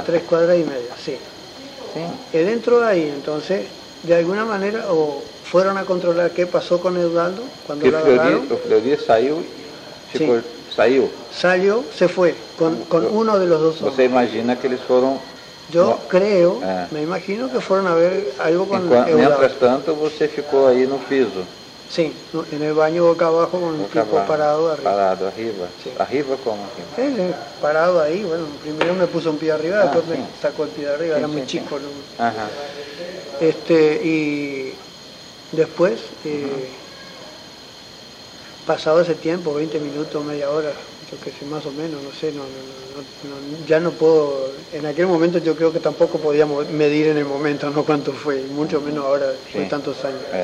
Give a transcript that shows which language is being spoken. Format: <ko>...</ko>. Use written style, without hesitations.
<es>A tres cuadras y media, sí. Él entró ahí, entonces, de alguna manera, o fueron a controlar qué pasó con Eudaldo cuando lo agarraron. Fleury salió, salió. Salió, se fue, con uno de los dos hombres. ¿Se imagina que les fueron? Yo creo, me imagino que fueron a ver algo con Eudaldo. Mientras tanto,</es> <pt>você ficou aí no piso.</pt> <es>Sí, en el baño boca abajo con el tipo parado arriba. Parado arriba. Sí. ¿Arriba cómo? Él parado ahí, bueno, primero me puso un pie arriba, después me sacó el pie de arriba, era muy chico. ¿No? Ajá. Y después, pasado ese tiempo, 20 minutos, media hora, yo qué sé, más o menos, no sé, no, ya no puedo, en aquel momento yo creo que tampoco podíamos medir en el momento, no cuánto fue, mucho menos ahora, fue tantos años.</es>